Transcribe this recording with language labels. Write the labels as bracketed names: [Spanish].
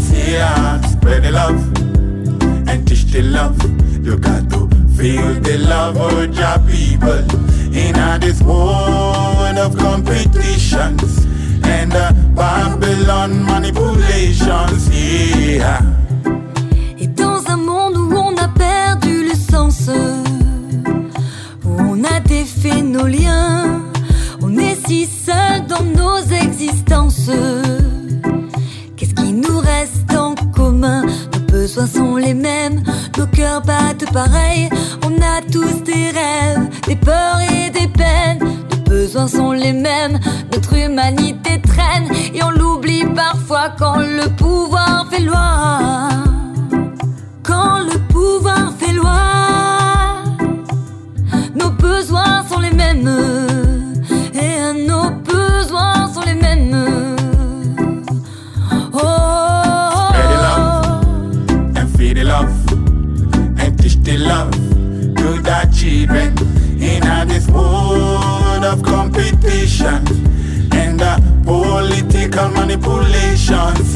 [English] Yeah, spread the love and teach the love. You got to feel the love of your people in this world of competitions and Babylon manipulations. Yeah. [French] Et dans un monde où on a perdu le sens, où on a défait nos liens, on est si seul dans nos existences. Qu'est-ce qui nous reste en commun? Nos besoins sont les mêmes, nos cœurs battent pareil. On a tous des rêves, des peurs et des peines. Nos besoins sont les mêmes, notre humanité traîne. Et on l'oublie parfois quand le pouvoir fait loi. Quand le pouvoir fait loi, nos besoins sont les mêmes. Et nos besoins sont les mêmes. Oh, oh, oh. [English] Spread the love and feed the love and teach the love to the children in this world of competition and political manipulations.